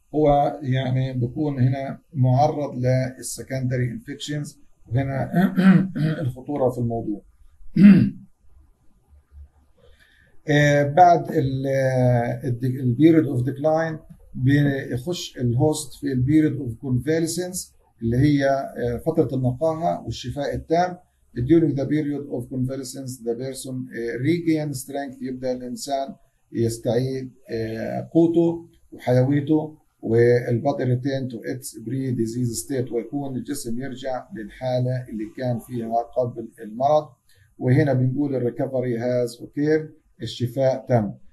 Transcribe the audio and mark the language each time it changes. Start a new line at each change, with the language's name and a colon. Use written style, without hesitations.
Arabic: هو يعني بيكون هنا معرض للسكندري انفكشنز وهنا الخطورة في الموضوع. بعد البيريد اوف ديكلاين بيخش الهوست في البيريد اوف كونفاليسنس اللي هي فترة النقاهة والشفاء التام.
English: During the period of convalescence the person regain strength.
Arabic: يبدأ الإنسان يستعيد قوته وحيويته والبطن
English: return to its pre-disease state
Arabic: ويكون الجسم يرجع للحالة اللي كان فيها قبل المرض. وهنا بنقول
English: recovery has occurred
Arabic: الشفاء تم.